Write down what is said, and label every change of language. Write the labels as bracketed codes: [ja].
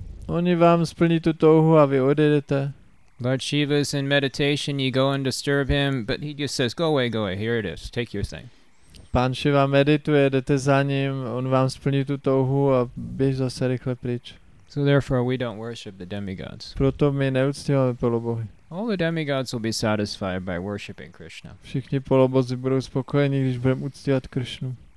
[cs] Oni vám splní tu touhu a vy odejdete. [en] Lord Shiva is in meditation, you go and disturb him, but he just says, go away, here it is, take your thing. [cs] Pán Shiva medituje, jdete za ním, on vám splní tu touhu a běž zase rychle pryč. [en] So therefore we don't worship the demigods. [cs] Proto my neuctíváme polobohy. [en] All the demigods will be satisfied by worshiping Krishna. [cs] Všichni polobozy budou spokojeni, když budeme uctívat Krishnu.